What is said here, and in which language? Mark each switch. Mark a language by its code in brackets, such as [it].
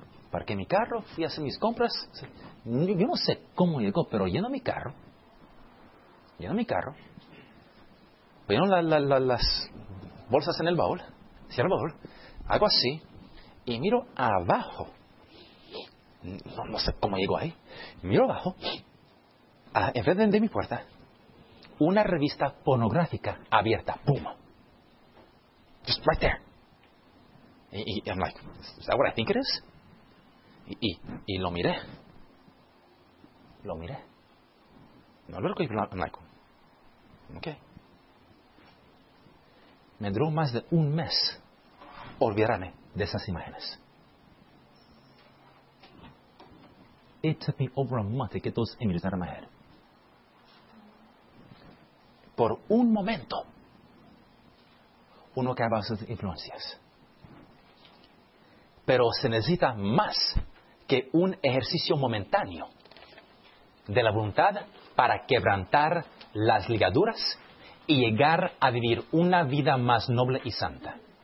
[es] Parqué mi carro, fui a hacer mis compras. Yo no sé cómo llegó, pero lleno mi carro, pongo las bolsas en el baúl, cierro el baúl, hago así, y miro abajo. No sé cómo llegó ahí. Miro abajo, enfrente de mi puerta, una revista pornográfica abierta. [en] ¡Pum! Just right there. [es] Y [en] I'm like, is that what I think it is? [es] Y lo miré. No lo recogí, [en] I'm like, okay. [es] Me duró más de un mes olvidarme de esas imágenes. [en] It took me over a month to get those images out of my head. [es] Por un momento, uno acaba sus influencias. Pero se necesita más que un ejercicio momentáneo de la voluntad para quebrantar las ligaduras y llegar a vivir una vida más noble y santa.